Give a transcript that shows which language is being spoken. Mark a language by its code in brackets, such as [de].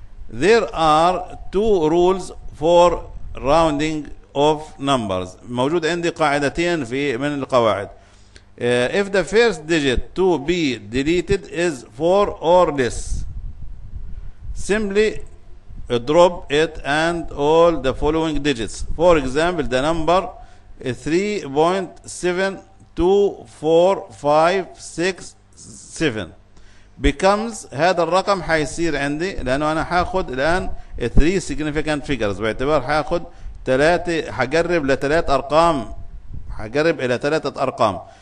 [en] There are two rules for rounding off numbers. [ar] موجود عندي قاعدتين في من القواعد. [en] If the first digit to be deleted is 4 or less, simply drop it and all the following digits. For example, the number 3.724567 becomes، [ar] هذا الرقم حيصير عندي لانه انا حاخد الان 3 significant figures، باعتبار حاخد 3، حقرب لثلاث ارقام، حقرب الى ثلاثة ارقام.